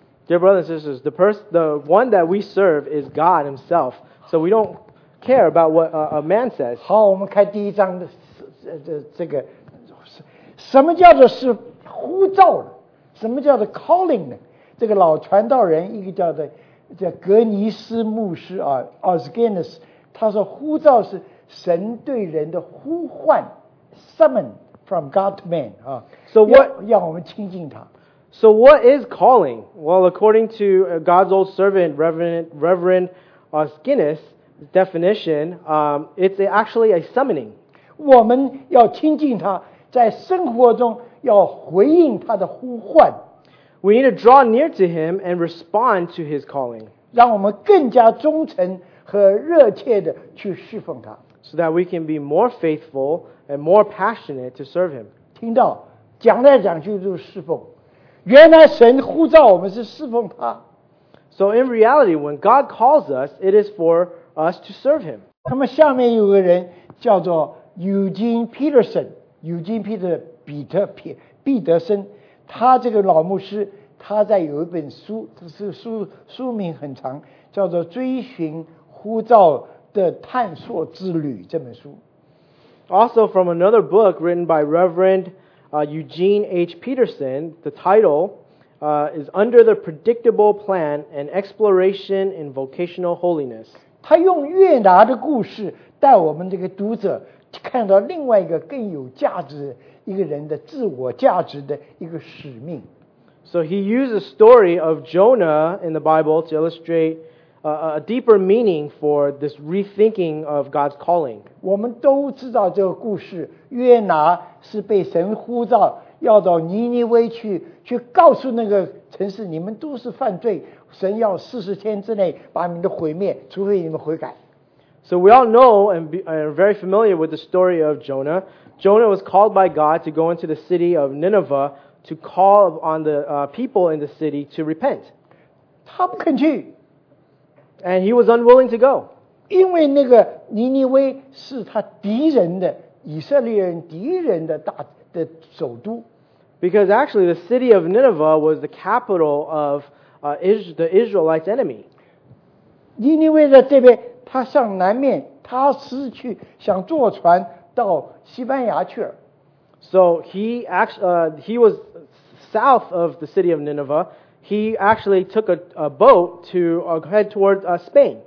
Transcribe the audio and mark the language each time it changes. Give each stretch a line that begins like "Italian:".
English: Dear brothers and sisters, the one that we serve is God Himself. So we don't care about what a man says.
Chinese: 好，我们看第一章的这个，什么叫做是呼召呢？什么叫做 calling 呢？这个老传道人一个叫格尼斯牧师啊 ，Osgainis， 他说呼召是神对人的呼唤 ，
English: summon from God to man
Chinese: 啊。
English: So what
Chinese: 让我们亲近他。
English: So what is calling? Well, according to God's old servant, Reverend Skinner's definition, it's actually a summoning.
Chinese: 我们要亲近他，在生活中要回应他的呼唤。
English: We need to draw near to him and respond to his calling.
Chinese: 让我们更加忠诚和热切地去侍奉他。
English: So that we can be more faithful and more passionate to serve him.
Chinese: 听到，讲来讲去就是侍奉。原来神呼召我们是侍奉他。
English: So in reality, when God calls us, it is for us to serve Him.
Chinese: 那么下面有个人叫做 Eugene Peterson， Eugene Peter 彼得森，他这个老牧师，他在有一本书，这个书名很长，叫做《追寻呼召的探索之旅》这本书。
English: Also from another book written by Reverend。 Eugene H. Peterson, the title is Under the Predictable Plan, An Exploration in Vocational Holiness.
Chinese: 他用约拿的故事带我们这个读者看到另外一个更有价值一个人的自我价值的一个使命。
English: So he used a story of Jonah in the Bible to illustrate a deeper meaning for this rethinking of God's calling.
Chinese: 我们都知道这个故事，约拿是被神呼召要到尼尼微去告诉那个城市，你们都是犯罪，神要40天之内把你们都毁灭，除非你们悔改。
English: So we all know and are very familiar with the story of Jonah. Jonah was called by God to go into the city of Nineveh to call on the people in the city to repent.
Chinese: 他不肯去。
English: And he was unwilling to go.
Chinese: 因为那个尼尼微是他敌人的，以色列人敌人的大的首都。
English: Because actually the city of Nineveh was the capital of the Israelites' enemy.
Chinese: 尼尼微在这边，他向南面他失去想坐船到西班牙去。
English: So he actually, he was south of the city of Nineveh. He actually took a boat to head toward Spain.